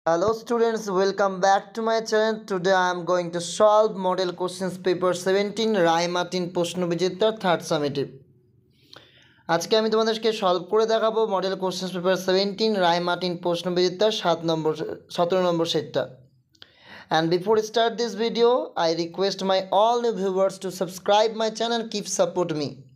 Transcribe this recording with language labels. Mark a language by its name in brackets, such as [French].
[English] Hello students, welcome back to my channel. Today I am going to solve model questions paper 17 Raimatin prosno bichitra third summative. [Bangla] আজকে আমি তোমাদেরকে solve করে দেখাবো model questions paper 17 Ray Martin প্রশ্ন বিচিত্রা 17 নম্বর সেটটা. [English] And before I start this video, I request my all new viewers to subscribe my channel and keep support me.